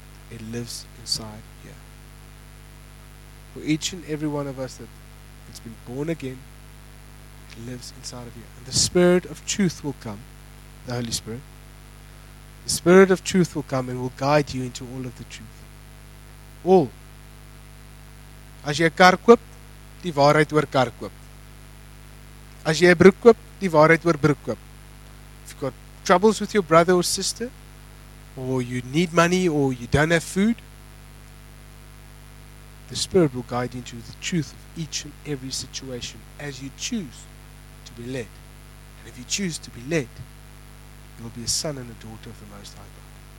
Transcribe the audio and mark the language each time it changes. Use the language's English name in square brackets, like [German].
[English] It lives inside here. For each and every one of us that has been born again, it lives inside of here. And the Spirit of truth will come, the Holy Spirit. The Spirit of truth will come and will guide you into all of the truth. All. [Afrikaans] As jy 'n kar koop, die waarheid oor kar koop. As jy 'n broek koop, die waarheid oor broek koop. [English] If you've got troubles with your brother or sister, or you need money, or you don't have food, the Spirit will guide you into the truth of each and every situation as you choose to be led. And if you choose to be led, you will be a son and a daughter of the Most High God.